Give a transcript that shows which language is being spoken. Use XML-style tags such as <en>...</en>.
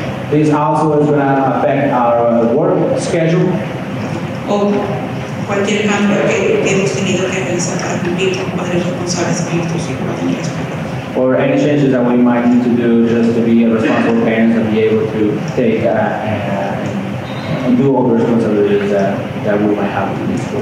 <en>This also is going to affect our work schedule.</en> <es>O cualquier cambio que hemos tenido que realizar para cumplir con padres responsables con nuestros hijos en la escuela.</es> <en>Or any changes that we might need to do just to be a responsible parent and be able to take and do all the responsibilities that we might have to do.</en>